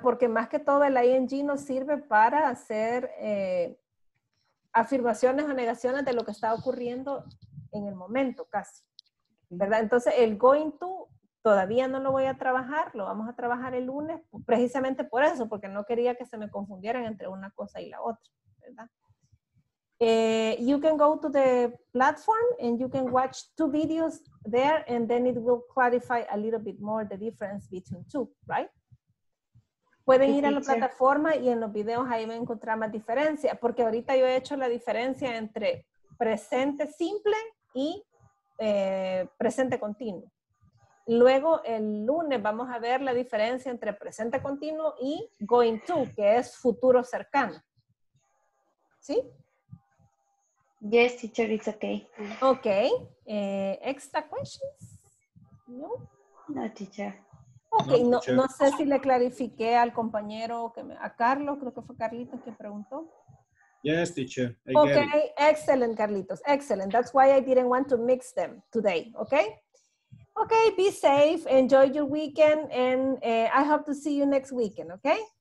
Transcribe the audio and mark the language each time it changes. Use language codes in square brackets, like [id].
[es] Porque más que todo el ING nos sirve para hacer afirmaciones o negaciones de lo que está ocurriendo en el momento, casi, ¿verdad? Entonces, el going to todavía no lo voy a trabajar, lo vamos a trabajar el lunes, precisamente por eso, porque no quería que se me confundieran entre una cosa y la otra, ¿verdad? [en] You can go to the platform and you can watch two videos there and then it will clarify a little bit more the difference between two, right? [es] Pueden ir a la plataforma y en los videos ahí van a encontrar más diferencia, porque ahorita yo he hecho la diferencia entre presente simple y presente continuo. Luego, el lunes, vamos a ver la diferencia entre presente continuo y going to, que es futuro cercano. ¿Sí? [en] Yes, teacher, it's okay. Okay. Extra questions? No? No, teacher. [es] Okay, no sé si le clarifiqué al compañero, a Carlos, creo que fue Carlitos que preguntó. [en] Yes, teacher. Okay, excellent, Carlitos, excellent. That's why I didn't want to mix them today, okay? Okay, be safe, enjoy your weekend, and I hope to see you next weekend, okay?